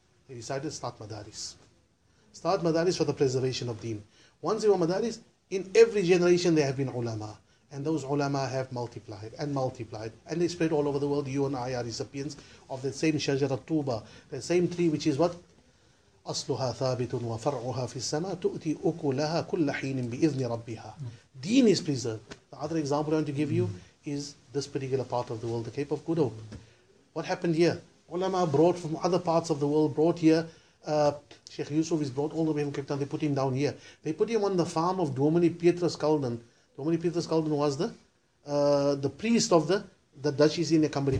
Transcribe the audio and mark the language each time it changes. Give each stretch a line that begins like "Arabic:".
English: They decided to start madaris. Start madaris for the preservation of deen. Once there were madaris, in every generation there have been ulama. And those ulama have multiplied and multiplied. And they spread all over the world. You and I are recipients of the same shajara tuba, the same tree, which is what?
Arabic: أصلها ثابت وفرعها في السماء تؤتي أكلها كل حين بإذن ربها.
English: Deen is preserved. The other example I want to give you is this particular part of the world, the Cape of Good Hope. What happened here? Ulama brought from other parts of the world, brought here. Sheikh Yusuf is brought all the way from Cape Town. They put him down here. They put him on the farm of Domini Petrus Calden. Domini Petrus Calden was the priest of the Dutch East India Company.